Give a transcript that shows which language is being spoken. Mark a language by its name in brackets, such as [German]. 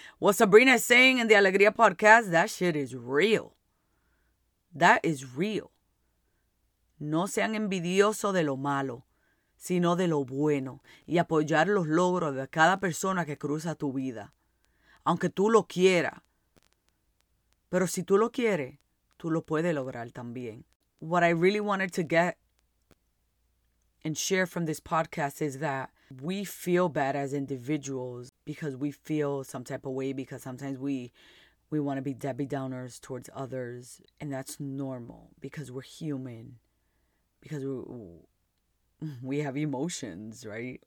[English] What Sabrina is saying in the Alegría Podcast, that shit is real. That is real. [Spanish] No sean envidiosos de lo malo, sino de lo bueno. Y apoyar los logros de cada persona que cruza tu vida. Aunque tú lo quieras. Pero si tú lo quieres, tú lo puedes lograr también. [English] What I really wanted to get and share from this podcast is that we feel bad as individuals because we feel some type of way because sometimes we want to be Debbie Downers towards others. And that's normal because we're human. Because we have emotions, right?